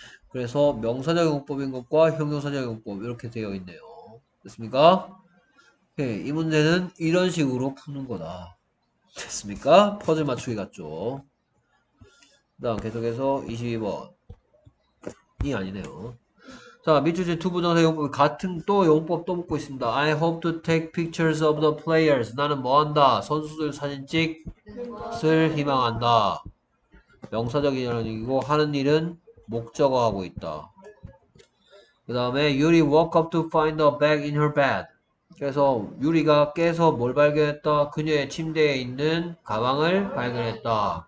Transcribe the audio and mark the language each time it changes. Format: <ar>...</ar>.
<ko>그래서 명사적 용법인 것과 형용사적 용법 이렇게 되어 있네요. 됐습니까? 오케이. 이 문제는 이런 식으로 푸는 거다. 됐습니까? 퍼즐 맞추기 같죠? 그 다음 계속해서 22번. 이 아니네요. 자, 밑줄 친 투부정사 용법 같은 또 용법 또 묻고 있습니다.</ko> <en>I hope to take pictures of the players.</en> <ko>나는 뭐 한다? 선수들 사진 찍을 희망한다. 명사적인 현역이고 하는 일은 목적어하고 있다. 그 다음에</ko> <en>유리 woke up to find a bag in her bed.</en> <ko>그래서 유리가 깨서 뭘 발견했다? 그녀의 침대에 있는 가방을 발견했다.</ko>